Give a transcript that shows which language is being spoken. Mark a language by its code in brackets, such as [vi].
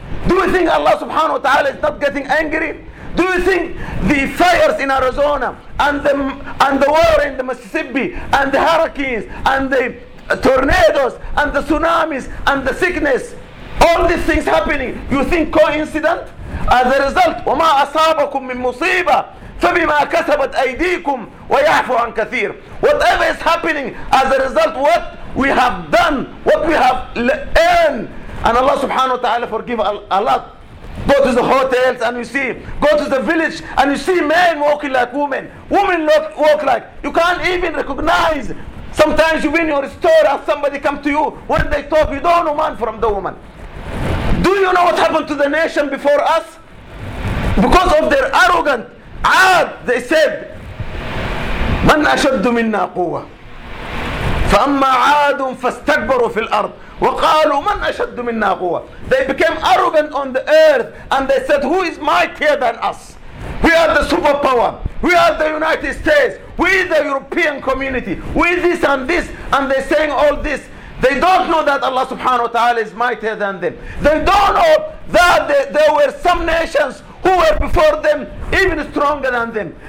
[en] Do you think Allah subhanahu wa ta'ala is not getting angry? Do you think the fires in Arizona and the water in the Mississippi and the hurricanes and the tornadoes and the tsunamis and the sickness, all these things happening, you think coincident? As a result, [ar] وَمَا أَصَابَكُمْ مِنْ مُصِيبَةٍ فَبِمَا كَسَبَتْ أَيْدِيكُمْ وَيَعْفُوا عَنْ كَثِيرٍ. [en] Whatever is happening, as a result, what we have done, what we have earned, and Allah subhanahu wa ta'ala forgive a lot. Go to the hotels and you see, go to the village and you see men walking like women. Women walk like, you can't even recognize. Sometimes you in your store and somebody come to you, when they talk, you don't know man from the woman. Do you know what happened to the nation before us? Because of their arrogant عاد, they said, [ar] من أشد منا قوة فأما عاد فاستكبروا في الأرض وقالوا من أشد منا قوة. [en] They became arrogant on the earth and they said, who is mightier than us? We are the superpower. We are the United States. We are the European community. We are this and this. And they're saying all this. They don't know that Allah subhanahu wa ta'ala is mightier than them. They don't know that there were some nations who were before them even stronger than them.